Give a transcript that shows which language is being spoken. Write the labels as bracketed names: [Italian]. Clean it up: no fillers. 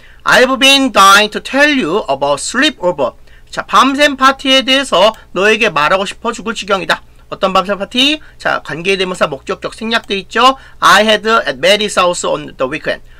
[English] I've been dying to tell you about sleepover. [Korean] 자, 밤샘 파티에 대해서 너에게 말하고 싶어 죽을 지경이다. 어떤 밤샘 파티? 자, 관계대명사 목적격 생략돼 있죠. [English] I had at Maddie's house on the weekend.